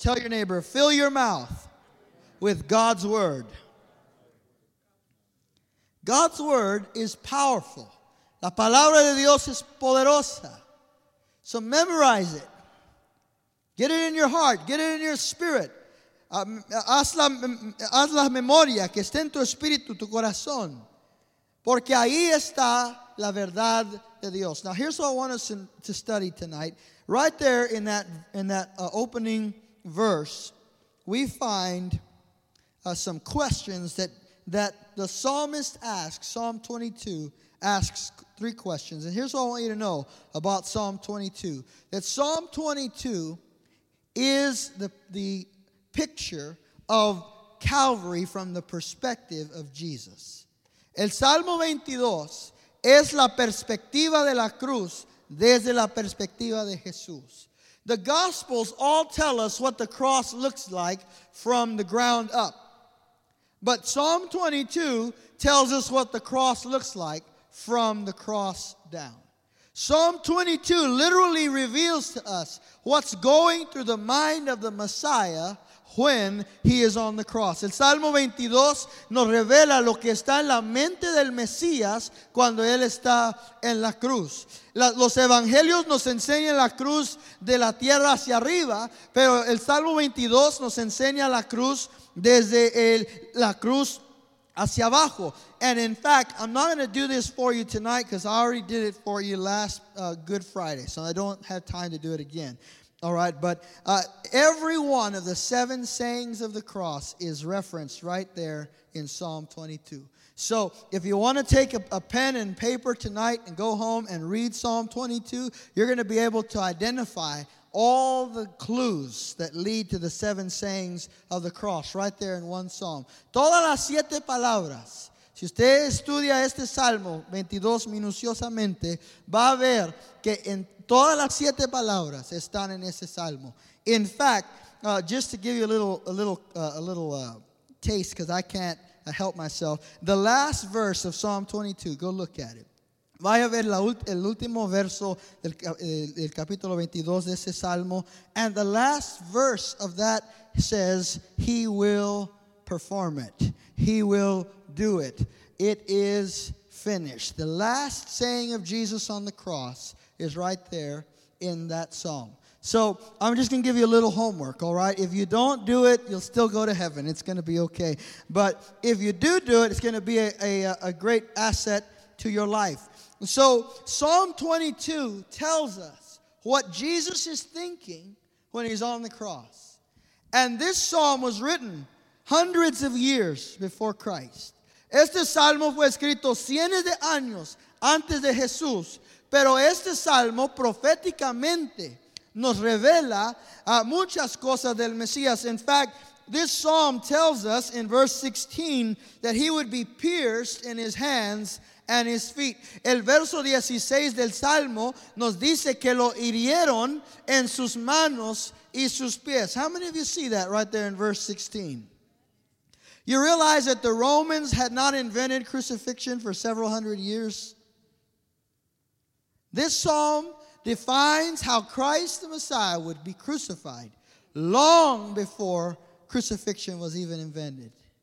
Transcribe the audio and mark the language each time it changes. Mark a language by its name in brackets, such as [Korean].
[English] Tell your neighbor, fill your mouth with God's word. God's word is powerful. [Spanish] La palabra de Dios es poderosa. [English] So memorize it. Get it in your heart. Get it in your spirit. [Spanish] Haz la memoria que esté en tu espíritu, tu corazón. Porque ahí está la verdad de Dios. [English] Now here's what I want us to study tonight. Right there in that opening verse, we find some questions that the psalmist asks. Psalm 22 asks three questions. And here's what I want you to know about Psalm 22. That Psalm 22 is the picture of Calvary from the perspective of Jesus. [Spanish] El Salmo 22 es la perspectiva de la cruz desde la perspectiva de Jesús. [English] The Gospels all tell us what the cross looks like from the ground up. But Psalm 22 tells us what the cross looks like from the cross down. Psalm 22 literally reveals to us what's going through the mind of the Messiah when he is on the cross. [Spanish] El Salmo 22 nos revela lo que está en la mente del Mesías cuando él está en la cruz. Los evangelios nos enseñan la cruz de la tierra hacia arriba, pero el Salmo 22 nos enseña la cruz desde la cruz hacia abajo. [English] And in fact, I'm not going to do this for you tonight because I already did it for you last Good Friday, so I don't have time to do it again. All right, but every one of the seven sayings of the cross is referenced right there in Psalm 22. So if you want to take a pen and paper tonight and go home and read Psalm 22, you're going to be able to identify all the clues that lead to the seven sayings of the cross right there in one psalm. [Spanish] Todas las siete palabras. Si usted estudia este Salmo 22 minuciosamente, va a ver que en todas las siete palabras están en ese Salmo. [English] In fact, just to give you a little taste, because I can't help myself, the last verse of Psalm 22, go look at it. [Spanish] Vaya a ver el último verso del capítulo 22 de ese Salmo. [English] And the last verse of that says, he will perform it. He will do it. It is finished. The last saying of Jesus on the cross is right there in that psalm. So I'm just going to give you a little homework, all right? If you don't do it, you'll still go to heaven. It's going to be okay. But if you do it, it's going to be a great asset to your life. So Psalm 22 tells us what Jesus is thinking when he's on the cross. And this psalm was written hundreds of years before Christ. [Spanish] Este salmo fue escrito cientos de años antes de Jesús. Pero este salmo proféticamente nos revela muchas cosas del Mesías. [English] In fact, this psalm tells us in verse 16 that he would be pierced in his hands and his feet. [Spanish] El verso 16 del Salmo nos dice que lo hirieron en sus manos y sus pies. [English] How many of you see that right there in verse 16? You realize that the Romans had not invented crucifixion for several hundred years? This psalm defines how Christ the Messiah would be crucified long before crucifixion was even invented.